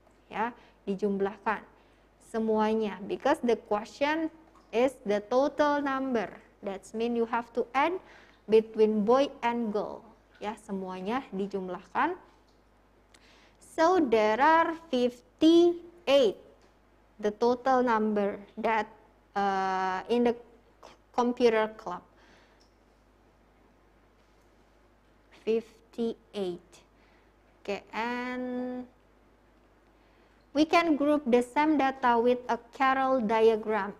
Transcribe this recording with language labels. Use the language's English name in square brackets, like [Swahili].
[Indonesian] Ya, dijumlahkan semuanya. [English] Because the question is the total number. That means you have to add between boy and girl. [Indonesian] Ya, semuanya dijumlahkan. [English] So there are 58, the total number that in the computer club. 58. Okay, and we can group the same data with a Carroll diagram.